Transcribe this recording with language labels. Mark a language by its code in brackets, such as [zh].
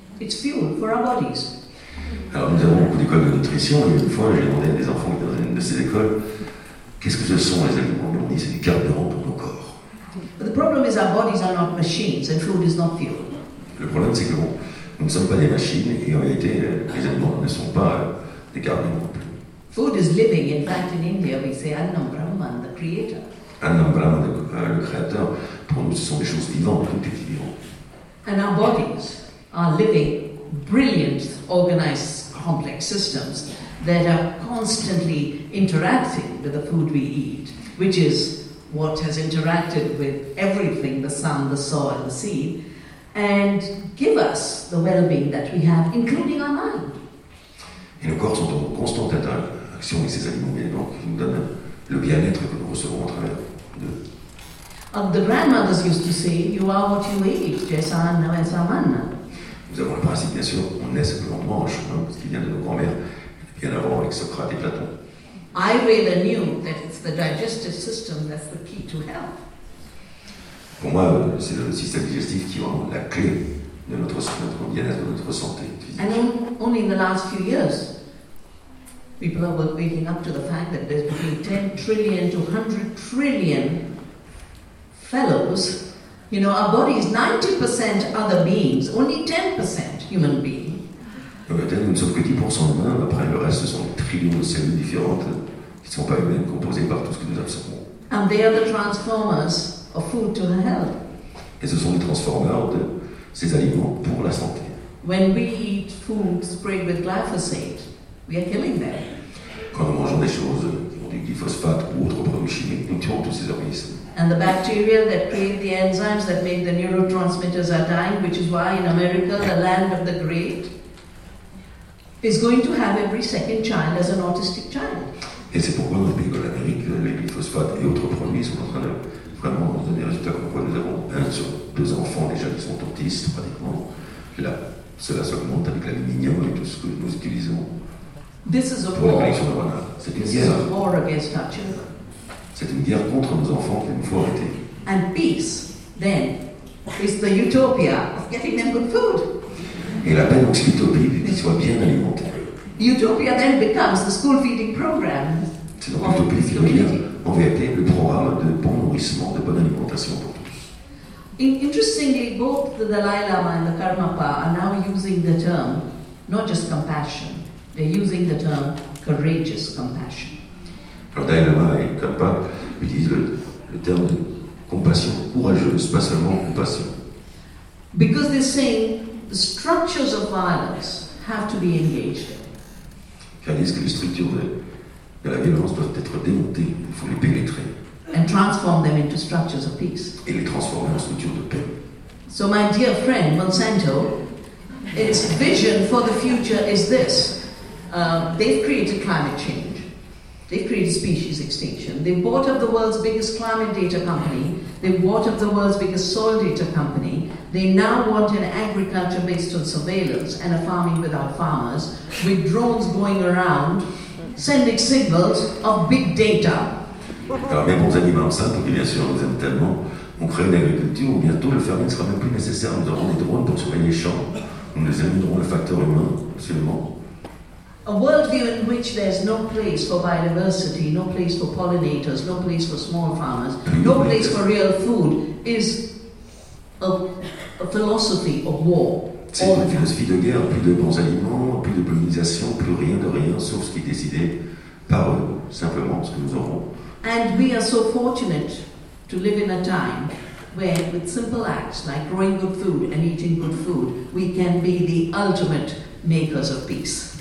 [en] It's fuel for our bodies. [fr] Alors nous avons beaucoup d'écoles de nutrition, et une fois j'ai demandé à des enfants dans une de ces écoles, qu'est-ce que ce sont les aliments? Ils m'ont dit, c'est du carburant pour nos corps. [en] But the problem is our bodies are not machines, and food is not fuel. [fr] Le problème c'est que bon, nous ne sommes pas des machines, et en réalité, les aliments ne sont pas des carburants. [en] Food is living, in fact in India we say Annam Brahman, the creator. [fr] Annam Brahman, le créateur, pour nous ce sont des choses vivantes, tout est vivant. [en] And our bodies are living, brilliant, organized, complex systems that are constantly interacting with the food we eat, which is what has interacted with everything, the sun, the soil, the sea, and give us the well-being that we have, including our mind. [fr] Et nos corps sont en constante interaction avec ces aliments, bien évidemment, qui nous donnent le bien-être que nous recevons à travers d'eux. [en] The grandmothers used to say, you are what you eat, jesanna et samanna. [fr] Nous avons le principe, bien sûr, on est ce que l'on mange, hein, ce qui vient de nos grands-mères, bien avant, avec Socrate et Platon. [en] Ayurveda knew that it's the digestive system that's the key to health. [fr] Pour moi, c'est le système digestif qui est vraiment la clé de notre bien-être, de notre santé physique. [en] And only in the last few years, people are waking up to the fact that there's between 10 trillion to 100 trillion fellows. You know, our body is 90% other beings, only 10% human being. [fr] Peut-être nous ne sommes que 10% humains, après le reste, ce sont des trillions de cellules différentes qui ne sont pas humaines, composées par tout ce que nous absorbons. [en] And they are the transformers of food to health. [fr] Et ce sont les transformeurs de ces aliments pour la santé. [en] When we eat food sprayed with glyphosate, we are killing them. [fr] Quand nous mangeons des choses qui ont du glyphosate ou autres produits chimiques, nous tuons tous ces organismes. [en] And the bacteria that create the enzymes that make the neurotransmitters are dying, which is why in America, the land of the great, is going to have every second child as an autistic child. [fr] Et c'est pourquoi dans les pays de l'Amérique, les glyphosates et autres produits sont en train de vraiment donner des résultats comme quoi nous avons un sur deux enfants déjà qui sont autistes pratiquement. Là, cela s'augmente avec l'aluminium et tout ce que nous utilisons. [en] This is a [fr] pour [en] war. [fr] La production de renards. C'est une [en] This [fr] guerre. [en] Is a war against our children. [fr] C'est une guerre contre nos enfants qu'il nous faut arrêter. [en] And peace, then, is the utopia of getting them good food. [fr] Et la paix, donc, c'est l'utopie, c'est qu'ils soient bien alimentés. [en] Utopia then becomes the school feeding program. [fr] C'est donc l'utopie qui devient, en vérité, le programme de bon nourrissement, de bonne alimentation pour tous. [en] Interestingly, both the Dalai Lama and the Karmapa are now using the term, not just compassion, they're using the term courageous compassion. [fr] Alors, Dalai Lama et Karmapa utilisent le terme de compassion courageuse, pas seulement compassion. [en] Because they're saying the structures of violence have to be engaged. [fr] Car ils disent que les structures de la violence doivent être démontées, il faut les pénétrer. [en] And transform them into structures of peace. [fr] Et les transformer en structures de paix. [en] So my dear friend Monsanto, its vision for the future is this. They've created climate change. They've created species extinction. They've bought up the world's biggest climate data company. They've bought up the world's biggest soil data company. They now want an agriculture based on surveillance and a farming without farmers, with drones going around, sending signals of big data. [fr] Alors, mes bons amis Monsanto, qui bien sûr nous aiment tellement, ont créé une agriculture où bientôt le fermier ne sera même plus nécessaire. Nous aurons des drones pour surveiller les champs. Nous éliminerons le facteur humain, absolument. [en] A worldview in which there's no place for biodiversity, no place for pollinators, no place for small farmers, no place for real food is a philosophy of war. [fr] C'est une philosophie de guerre, plus de bons aliments, plus de pollinisation, plus rien de rien, sauf ce qui est décidé par eux, simplement ce que nous aurons. [en] And we are so fortunate to live in a time where, with simple acts like growing good food and eating good food, we can be the ultimate makers of peace.